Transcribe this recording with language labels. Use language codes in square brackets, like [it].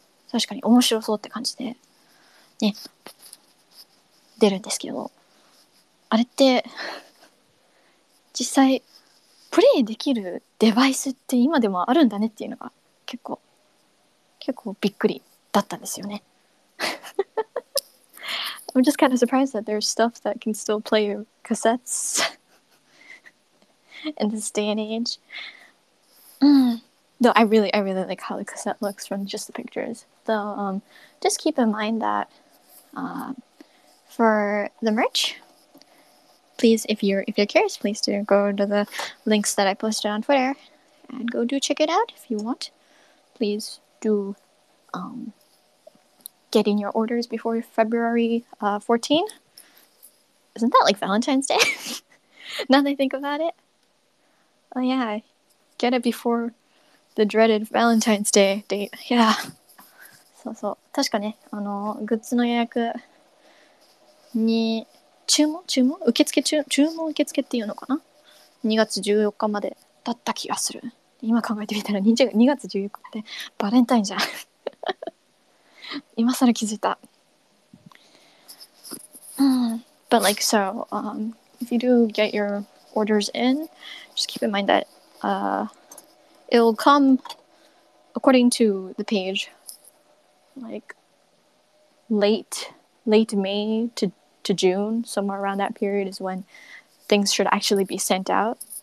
[ja] 確かに面白そうって感じでね出るんですけど、あれって実際プレイできるデバイスって今でもあるんだねっていうのが結構びっくりだったんですよね。 [en] I'm just kind of surprised that there's stuff that can still play your cassettes in this day and age. Though I really like how the cassette looks from just the pictures. Though, just keep in mind that for the merch, please, if you're curious, please do go to the links that I posted on Twitter and go do check it out if you want. Please do get in your orders before February 14. Isn't that like Valentine's Day? Now that I think about it. Oh yeah, get it before the dreaded Valentine's Day date. Yeah. [ja] そうそう。確かね、グッズの予約に注文受付注文受付っていうのかな？2月14日までだった気がする。今考えてみたら2月14日ってバレンタインじゃん。今さら気づいた。 [en] But like so, if you do get your orders in, just keep in mind that it'll come according to the page, like late May to June, somewhere around that period is when things should actually be sent out.